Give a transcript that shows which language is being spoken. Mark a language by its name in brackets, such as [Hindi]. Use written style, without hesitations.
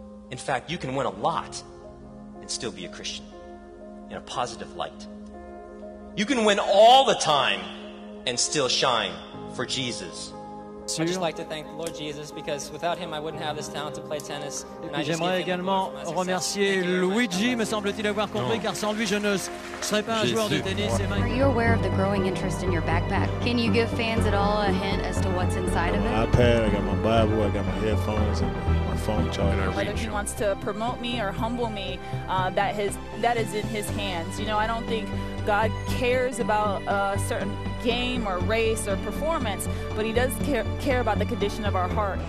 [English] In fact, you can win a lot and still be a Christian in a positive light. You can win all the time and still shine for Jesus. So I'd just like to thank the Lord Jesus because without him, I wouldn't have this talent to play tennis. [French] J'aimerais également remercier Luigi, me semble-t-il avoir compris, car sans lui, je ne serais pas un joueur de tennis. [English] Are you aware of the growing interest in your backpack? Can you give fans at all a hint as to what's inside of it? I got my iPad, I got my Bible, I got my headphones, and my phone charger. Whether he wants to promote me or humble me, that is in his hands. You know, I don't think God cares about a certain game or race or performance, but he does care about the condition of our heart.